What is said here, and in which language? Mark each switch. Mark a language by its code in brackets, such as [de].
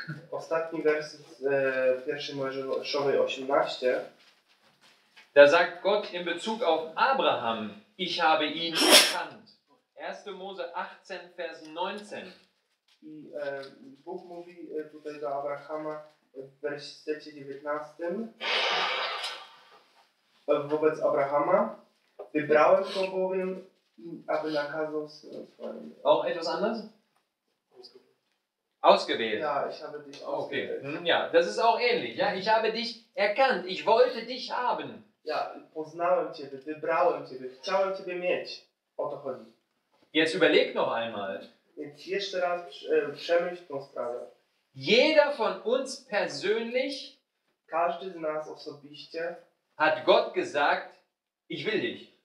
[pl] Ostatni werset z pierwszej Mojżeszowej 18. [de] Da sagt Gott in Bezug auf Abraham, ich habe ihn erkannt. 1. Mose 18, Vers 19. [pl] I Bóg mówi tutaj do Abrahama w wersecie 19. Wobec Abrahama. Wybrałem to bowiem, aby nakazał swoim. [de] Auch etwas anders? Ausgewählt. Ja, ich habe dich ausgewählt. Okay. Ja, das ist auch ähnlich. Ja, ich habe dich erkannt. Ich wollte dich haben. [pl] Ja, poznałem ciebie, wybrałem ciebie, chciałem ciebie mieć. O to chodzi. [de] Jetzt überleg noch einmal. Jetzt [pl] jeszcze raz przemyśl tą sprawę. [de] Jeder von uns persönlich, [pl] każdy z nas osobiście, [de] hat Gott gesagt, ich will dich.